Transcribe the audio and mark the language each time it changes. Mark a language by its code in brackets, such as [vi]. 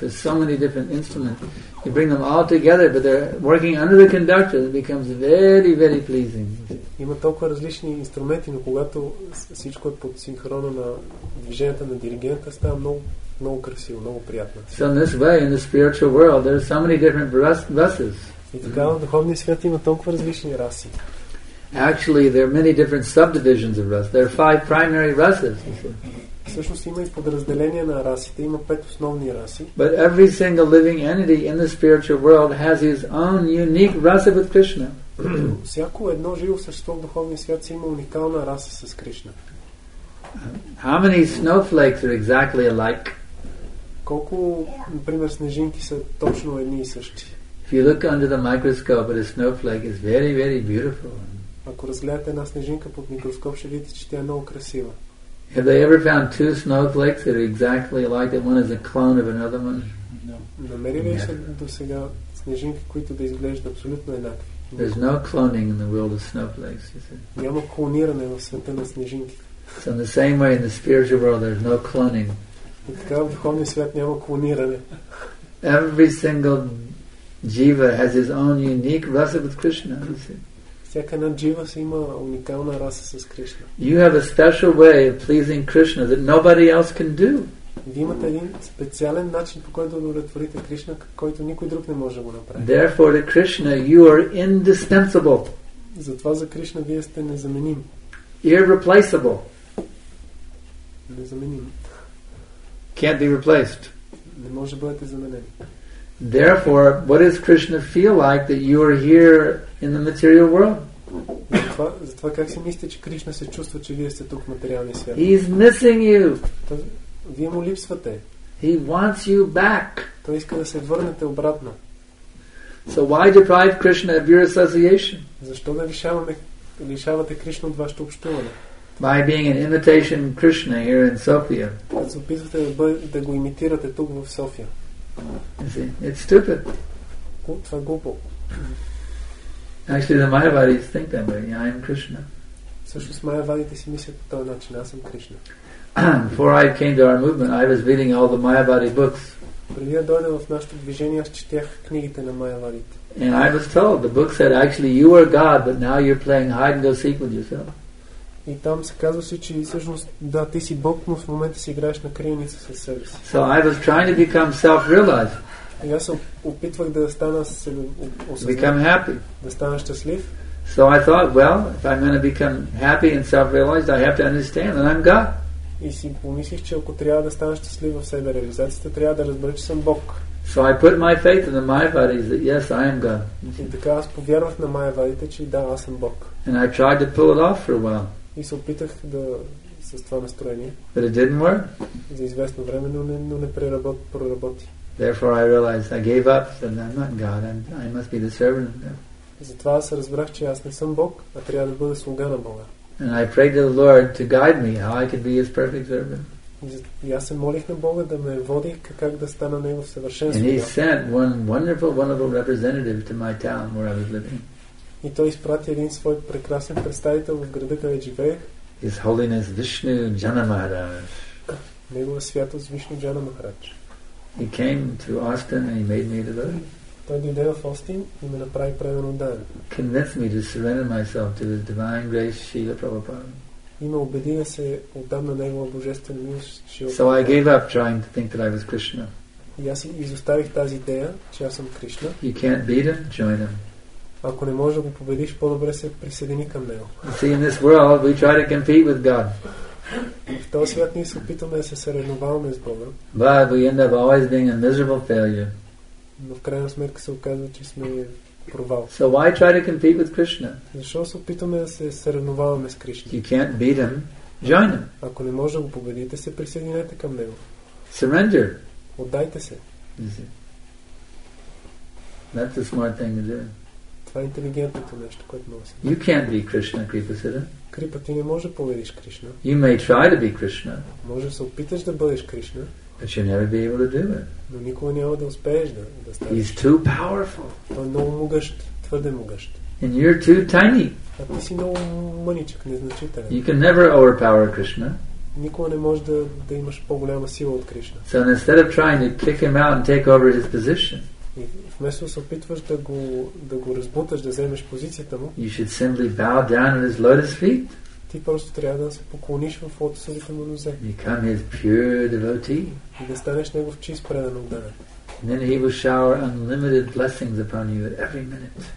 [en] There's so many different instruments. You bring them all together, but they're working under the conductor. It becomes very, very pleasing. [bg] Има толкова различни инструменти, но когато всичко е под синхрона на движението на диригента, става много, много красиво, много приятно. [en] So in this way, in the spiritual world, there are so many different rasas. [bg] И така, в духовния свят има толкова различни раси. [en] Actually, there are many different subdivisions of rasas. There are 5 primary rasas. [bg] Всъщност има и подразделения на расите, има 5 основни раси. [en] But every single living entity in the spiritual world has his own unique rasa with Krishna. [bg] Всяко едно живо същество в духовния свят си има уникална раса с Кришна. [en] How many snowflakes are exactly alike? [bg] Колко, например, снежинки са точно едни и същи? [en] If you look under the microscope, a snowflake is very, very beautiful. [bg] Ако разгледате една снежинка под микроскоп, ще видите, че тя е много красива. [en] Have they ever found 2 snowflakes that are exactly alike, that one is a clone of another one? No. [bg] Намерили ли сте до сега снежинки, които да изглеждат абсолютно еднакви? [en] There's no cloning in the world of snowflakes, you see. [bg] Няма клониране в света на снежинки. [en] So in the same way in the spiritual world there's no cloning. [bg] И така в духовния свят няма клониране. [en] Every single jiva has his own unique rasa with Krishna, you see. [bg] Всяка една джива си има уникална раса с Кришна. [en] You have a special way of pleasing Krishna that nobody else can do. [bg] Вие имате един специален начин, по който да удовлетворите Кришна, който никой друг не може да го направи. [en] Therefore, to Krishna, you are indispensable. [bg] Затова за Кришна вие сте незаменим. [en] Irreplaceable. [bg] Незаменим. [en] Can't be replaced. [bg] Не може да бъдете заменени. [en] Therefore, what does Krishna feel like that you are here in the material world? [bg] Затова как си мислите, че Кришна се чувства, че вие сте тук в материалния свят? [en] He is missing you. [bg] Вие му липсвате. [en] He wants you back. [bg] Той иска да се върнете обратно. [en] So why deprive Krishna of your association? [bg] Защо да лишавате Кришна от вашето общуване? [en] By being an imitation Krishna here in Sofia. [bg] Се опитвате да го имитирате тук в София. [en] It's stupid. [bg] Това е глупо. [en] Actually, the Mayavadis think that way. Yeah, I am Krishna. [bg] Всъщност майявадите си мислят по този начин. Аз съм Кришна. [en] Before I came to our movement, I was reading all the Mayavadi books. [bg] Преди да дойда в нашето движение, аз четях книгите на майявадите. [en] And I was told, the book said, actually, you are God, but now you're playing hide and go seek with yourself. [bg] И там се казва си, че всъщност, да, ти си Бог, но в момента си играеш на криеница със себе си. [en] So I was trying to become self-realized. [bg] И аз опитвах да стана осъзнат. [en] Become happy. [bg] Да стана щастлив. [en] So I thought, well, if I'm going to become happy and self-realized, I have to understand that I'm God. [bg] И си помислих, че ако трябва да стана щастлив в себе реализацията, трябва да разбера, че съм Бог. [en] So I put my faith in the Mayavadis that yes, I am God. [bg] И така аз повярвах на Mayavadite, че да, аз съм Бог. [en] And I tried to pull it off for a while. [bg] И се опитах да с това настроение. [en] But it didn't work. [bg] За известно време, но не проработи. [en] Therefore I realized I gave up and I'm not God and I must be the servant of God. [bg] Затова аз разбрах, че аз не съм Бог, а трябва да бъда слуга на Бога. [en] And I prayed to the Lord to guide me how I could be his perfect servant. [bg] И аз се молих на Бога да ме води как да стана Негов съвършен слуга. [en] And he sent one wonderful, wonderful representative to my town where I was living. [bg] И той изпрати един свой прекрасен представител в града, където живеех. [en] His Holiness Vishnu Janamaharaj. [bg] Негова святост Вишну Джанамахарадж. [en] He came to Austin and he made me a devotee. [bg] Той дойде в Остин и ме направи преданно даден. [en] Convince me to surrender myself to the divine grace Srila Prabhupada. [bg] И ме убеди да се отдам на Негова божествена милост Srila Prabhupada. [en] So I gave up trying to think that I was Krishna. [bg] И аз изоставих тази идея, че аз съм Кришна. [en] You can't beat him, join him. [bg] Ако не можеш да го победиш, по-добре се присъедини към него. [en] See, in this world, we try to compete with God. [bg] В този свят ние се опитваме да се съревноваваме с Бога. [en] But we end up always being a miserable failure. [bg] Но в крайна сметка се оказва, че сме провал. [en] So why try to compete with Krishna? [bg] Защо се опитваме да се съревноваваме с Кришна? [en] You can't beat him, join him. [bg] Ако не можеш да го победите, се присъединете към него. [en] Surrender. [bg] Отдайте се. [en] That's the smart thing to do. [bg] Това е интелигентното нещо, което може да си. [en] You can't be Krishna, Kripasita. [bg] Крипа, ти не можеш да победиш Кришна. [en] You may try to be Krishna. [bg] Може да се опиташ да бъдеш Кришна. [en] But you'll never be able to do it. [bg] Но никога няма да успееш да станеш. [en] He's too powerful. [bg] Той е много могъщ, твърде могъщ. [en] And you're too tiny. [bg] А ти си много мъничък, незначителен. [en] You can never overpower Krishna. [bg] Никога не можеш да имаш по-голяма сила от Кришна. [en] So instead of trying to kick him out and take over his position, [bg] и вместо се опитваш да го разбуташ, да вземеш позицията му, [en] you should simply bow down at his lotus feet. [bg] Ти просто трябва да се поклониш в лотосовите му нозе. [en] Become his pure devotee. [bg] И да станеш негов чист предан отдаден. [en] Then he will shower unlimited blessings upon you at every minute.